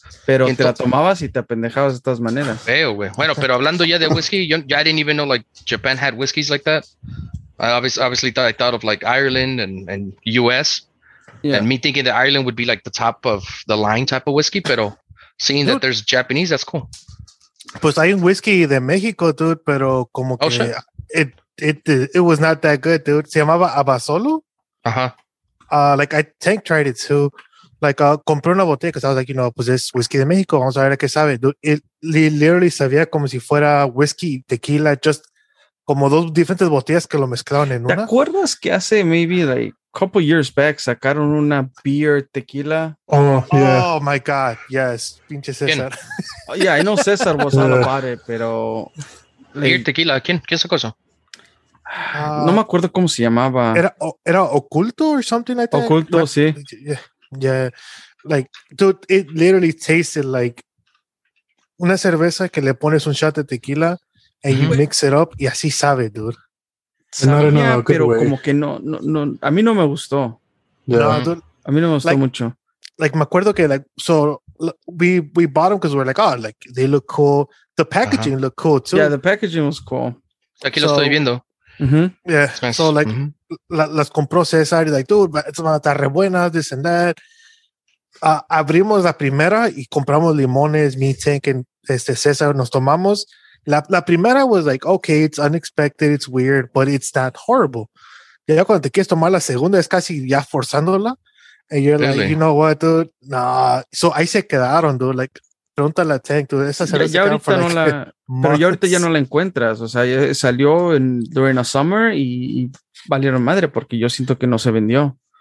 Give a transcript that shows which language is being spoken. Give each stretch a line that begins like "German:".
Spanish: Pero entonces, te la tomabas y te apendejabas de todas maneras. Feo, güey. Bueno, pero hablando ya de whisky, yo
English: I didn't even know like Japan had whiskeys like that. I obviously thought of like Ireland and US, yeah. And me thinking that Ireland would be like the top of the line type of whisky,
Spanish: pero seeing
English: dude, that there's Japanese, that's cool.
Spanish: Pues hay un whisky de México, dude, pero como que
English: it was not that good,
Spanish: dude. Se llamaba Abasolo. Uh-huh.
English: Like I tank tried it too. Like
Spanish: compré una botella
English: because I was like, you know,
Spanish: pues es whisky de México. Vamos a ver qué sabe.
English: It literally
Spanish: sabía como si fuera whisky tequila,
English: just
Spanish: como dos diferentes botellas que lo mezclaron en ¿te una. ¿Te acuerdas que hace maybe like a couple years back sacaron una beer tequila?
English: Oh, yeah. Oh my god, yes,
Spanish: pinche César.
English: Oh, yeah, I know César was all about it, pero
Spanish: like, beer tequila, ¿quién sacó eso? No me acuerdo cómo se llamaba.
English: Era Oculto or something like that.
Spanish: Oculto,
English: like,
Spanish: sí.
English: Yeah. Like, dude, it literally tasted like
Spanish: una cerveza que le pones un shot de tequila
English: and you mix it up
Spanish: y así sabe,
English: dude.
Spanish: Como que no, a mí no me gustó.
English: Yeah. No, dude,
Spanish: a mí no me gustó
English: like,
Spanish: mucho. Like, me acuerdo que,
English: like, so we bought them because we're like, oh, like, they look cool. The packaging looked cool too. Yeah, the packaging was cool.
Spanish: Aquí lo estoy viendo. Mm-hmm.
English: Yeah, so like
Spanish: las compró César
English: y like, dude, it's not that
Spanish: re buena,
English: this and that.
Spanish: Abrimos la primera y compramos limones, mi tank and César nos tomamos.
English: La primera was like, okay, it's unexpected, it's weird, but it's not horrible.
Spanish: Ya cuando te quieres tomar la segunda es casi ya forzándola.
English: And you're really? Like, you know what, dude, nah.
Spanish: So ahí se quedaron,
English: dude, like.
Spanish: Pregunta la tank,
English: dude. Esa
Spanish: cerveza ya ahorita no la, pero ya ahorita ya no la encuentras. O sea, salió
English: during a summer
Spanish: y valieron madre porque yo siento que no se vendió.